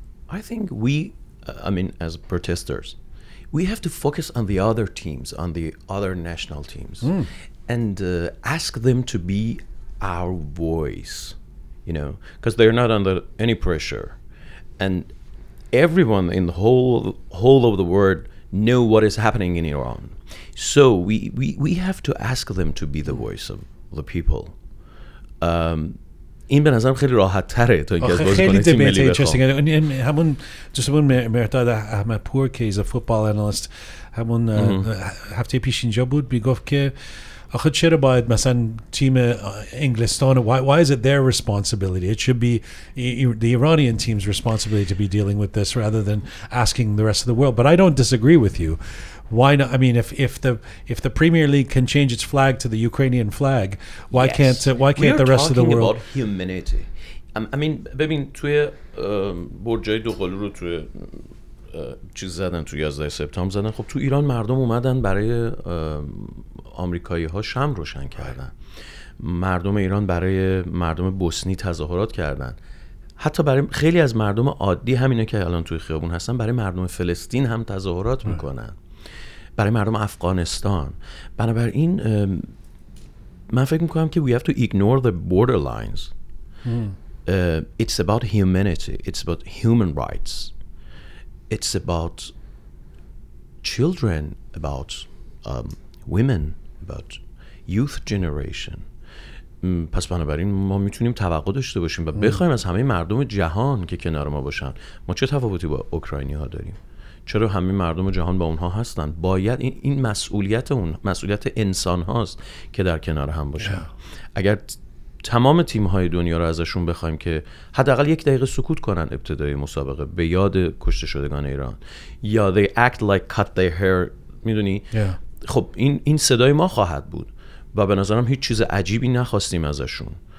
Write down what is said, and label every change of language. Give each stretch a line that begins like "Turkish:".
English: I think as protesters, we have to focus on the other teams, on the other national teams, and ask them to be our voice, you know, because they're not under any pressure. And everyone in the whole of the world know what is happening in Iran. So we have to ask them to be the voice of the people.
Persian: این به نظرم خیلی راحت تره تا اینکه از بازیکن تیم ملی بخواد. این همون دوستمون مرتضی احمدپور که از فوتبال آنالیست همون هفته پیش اینجا بود میگفت که آخه چرا باید مثلا تیم انگلستان
English: why is it their responsibility? It should be the Iranian team's responsibility to be dealing with this rather than asking the rest of the world. But I don't disagree with you. Why not? I mean, if the Premier League can change its flag to the Ukrainian flag, why yes. can't why can't the rest of the world? We're talking about humanity.
Persian: ببین توی برجای دوقلو رو توی چیز زدن توی 11 سپتامبر زدن. خب تو ایران مردم اومدن برای آمریکایی‌ها شمع روشن کردن. مردم ایران برای مردم بوسنی تظاهرات کردن. حتی برای خیلی از مردم عادی همینا که الان توی خیابون هستن برای مردم فلسطین هم تظاهرات میکنن. برای مردم افغانستان. بنابراین من فکر میکنم که
English: we have to ignore the border lines. It's about humanity. It's about human rights. It's about children, about women, about youth generation.
Persian: پس بنابراین ما میتونیم توقع داشته باشیم و بخوایم از همه مردم جهان که کنار ما باشن. ما چه تفاوتی با اوکراینی ها داریم؟ چرا همه مردم جهان با اونها هستن؟ باید این مسئولیت اون مسئولیت انسان هاست که در کنار هم باشن.
English: Yeah.
Persian: اگر تمام تیم های دنیا رو ازشون بخوایم که حداقل یک دقیقه سکوت کنن ابتدای مسابقه به یاد کشته شدگان ایران یا
English: they act like cut their hair
Persian: میدونی خب این صدای ما خواهد بود و به نظرم هیچ چیز عجیبی نخواستیم ازشون.